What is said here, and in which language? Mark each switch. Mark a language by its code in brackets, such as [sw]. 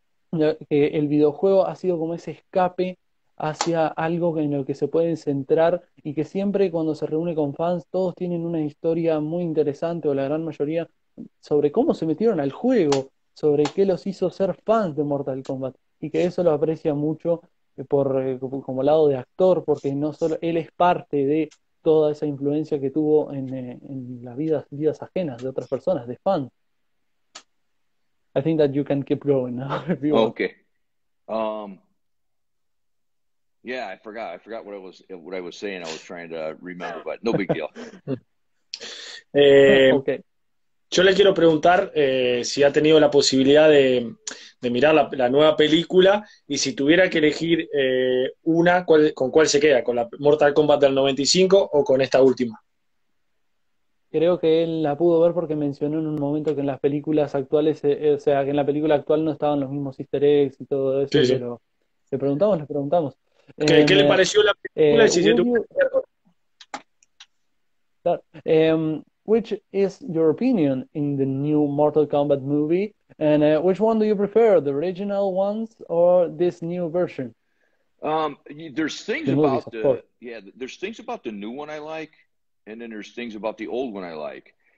[es] El videojuego ha sido como ese escape hacia algo en lo que se pueden centrar y que siempre cuando se reúne con fans todos tienen una historia muy interesante o la gran mayoría sobre cómo se metieron al juego, sobre qué los hizo ser fans de Mortal Kombat y que eso lo aprecia mucho como lado de actor porque no solo él es parte de toda esa influencia que tuvo en las vidas ajenas de otras personas, de fans. [en] I think that you can keep going now if you want. Okay. Yeah, I forgot. I forgot what I was saying. I was trying to remember, but no big deal. Okay. [es] Yo le quiero preguntar si ha tenido la posibilidad de mirar la nueva película y si tuviera que elegir una, ¿con cuál se queda? ¿Con la Mortal Kombat del 95 o con esta última? Creo que él la pudo ver porque mencionó en un momento que en las películas actuales, o sea, que en la película actual no estaban los mismos easter eggs y todo eso, Sí. pero le preguntamos. ¿Qué le pareció la película y si se tuvo? [en] Which is your opinion in the new Mortal Kombat movie? And which one do you prefer, the original ones or this new version? There's things The movies, about of course. there's things about the new one I like, and then there's things about the old one I like.